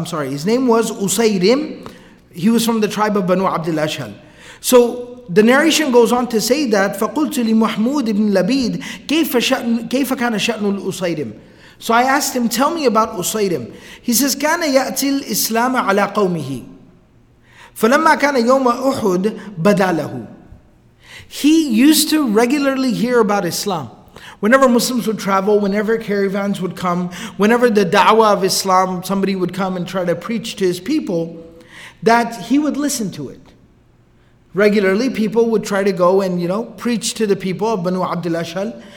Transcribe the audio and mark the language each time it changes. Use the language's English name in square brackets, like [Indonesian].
[English] His name was Usayrim. He was from the tribe of Banu Abd al-Ashhal. So the narration goes on to say that [Arabic] فَقُلْتُ لِمُحْمُودِ بْنِ لَبِيدِ كَيْفَ كَانَ شَأْنُ الْأُصَيْرِمِ. [English] So I asked him, tell me about Usayrim. He says, [Arabic] كَانَ يَأْتِ الْإِسْلَامَ عَلَىٰ قَوْمِهِ فَلَمَّا كَانَ يَوْمَ أُحُدْ بَدَالَهُ. [English] He used to regularly hear about Islam. Whenever Muslims would travel, whenever caravans would come, whenever the da'wah of Islam, somebody would come and try to preach to his people, that he would listen to it. regularly people would try to go and, you know, preach to the people of Banu Abdul Ashhal.